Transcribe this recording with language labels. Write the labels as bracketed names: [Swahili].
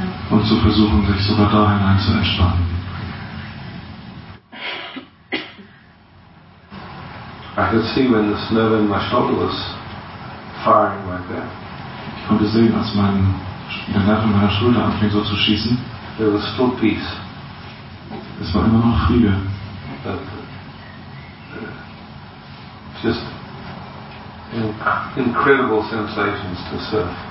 [German] Und zu versuchen, sich sogar da hinein zu entspannen. [English] I could see when this nerve in my shoulder was firing like that. [German] Ich konnte sehen, als der Nerv in meiner Schulter anfing so zu schießen. [English] There was still peace. [German] Es war immer noch Friede. [English] Just incredible sensations to surf.